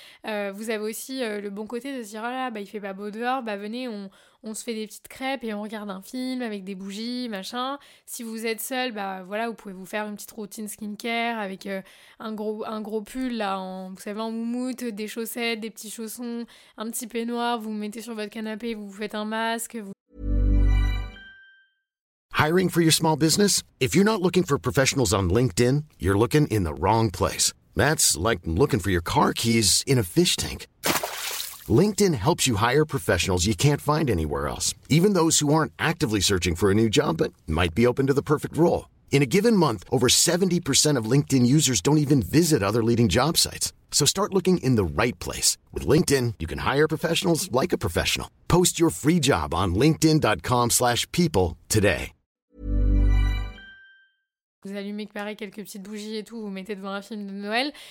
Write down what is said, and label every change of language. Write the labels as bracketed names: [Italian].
[French] Vous avez aussi le bon côté de se dire, oh là, bah, il fait pas beau dehors, bah, venez, on se fait des petites crêpes et on regarde un film avec des bougies, machin. Si vous êtes seul, bah voilà, vous pouvez vous faire une petite routine skincare avec un gros pull là, vous savez, en moumoute, des chaussettes, des petits chaussons, un petit peignoir, vous mettez sur votre canapé, vous vous faites un masque. [English] Hiring for your small business? If you're not looking for professionals on LinkedIn, you're looking in the wrong place. That's like looking for your car keys in a fish tank. LinkedIn helps you hire professionals you can't find anywhere else, even those who aren't actively searching for a new job but might be open to the perfect role. In a given month, over 70% of LinkedIn users don't even visit other leading job sites. So start looking in the right place. With LinkedIn, you can hire professionals like a professional. Post your free job on linkedin.com/people today. [French] Vous allumez pareil quelques petites bougies et tout, vous mettez devant un film de Noël.